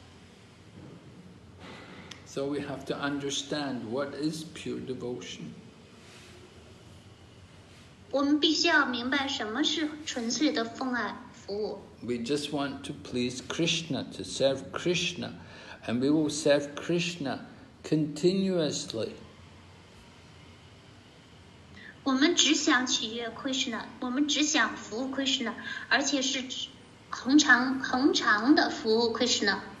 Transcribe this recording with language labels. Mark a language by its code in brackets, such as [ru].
[zh] 而且倘若谁的奉爱服务不稳定，一会儿停止，一会儿开始，那也不是纯粹的奉爱服务。 [en] So we have to understand what is pure devotion. [zh] 我们必须要明白什么是纯粹的奉爱服务。 [en] We just want to please Krishna, to serve Krishna, and we will serve Krishna continuously. [zh] 我们只想取悦Krishna，我们只想服务Krishna，而且是恒常的服务Krishna。